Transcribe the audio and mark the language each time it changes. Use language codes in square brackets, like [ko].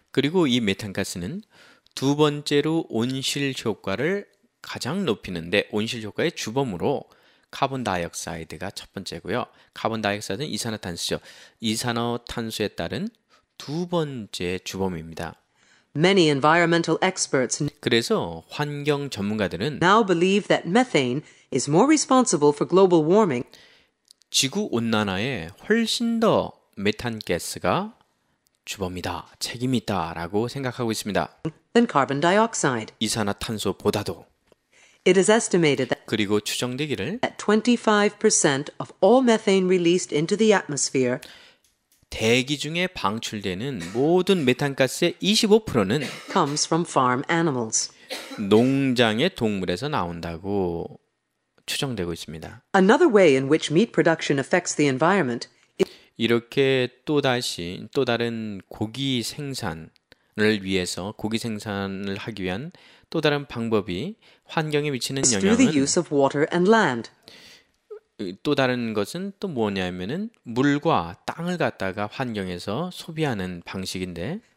[ko] 그리고 이 메탄 가스는 두 번째로 온실 효과를 가장 높이는데 온실 효과의 주범으로 카본 다이옥사이드가 첫 번째고요. 카본 다이옥사이드는 이산화탄소죠. 이산화탄소에 따른 두 번째 주범입니다. [en] Many environmental experts [ko] 그래서 환경 전문가들은 [en] now believe that methane is more responsible for global warming. [ko] 지구 온난화에 훨씬 더 메탄 가스가 주범이다, 책임이 있다라고 생각하고 있습니다. [en] than carbon dioxide. [ko] 이산화탄소보다도. [en] It is estimated [ko] 그리고 추정되기를 [en] that 25% of all methane released into the atmosphere [ko] 대기 중에 방출되는 모든 메탄가스의 25%는 [en] comes from farm animals. [ko] 농장의 동물에서 나온다고 추정되고 있습니다. [en] Another way in which meat production affects the environment. [ko] 이렇게 또다시 또 다른 고기 생산을 위해서 고기 생산을 하기 위한 또 다른 방법이 환경에 미치는 영향은 [en] through the use of water and land. [ko] 또 다른 것은 또 뭐냐면은 물과 땅을 갖다가 환경에서 소비하는 방식인데